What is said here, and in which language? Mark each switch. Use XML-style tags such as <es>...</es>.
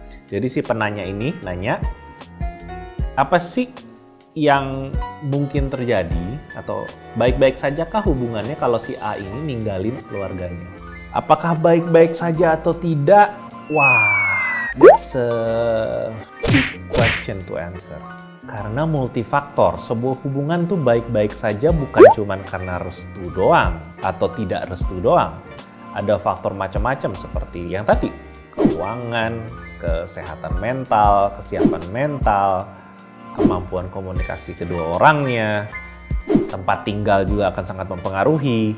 <id>Jadi si penanya ini nanya, apa sih yang mungkin terjadi atau baik-baik sajakah hubungannya kalau si A ini ninggalin keluarganya? Apakah baik-baik saja atau tidak?</id> <en>Wah, that's a question to answer.</en> <id>Karena multifaktor, sebuah hubungan tuh baik-baik saja bukan cuma karena restu doang atau tidak restu doang. Ada faktor macam-macam seperti yang tadi, keuangan, kesehatan mental, kesiapan mental, kemampuan komunikasi kedua orangnya, tempat tinggal juga akan sangat mempengaruhi.</id>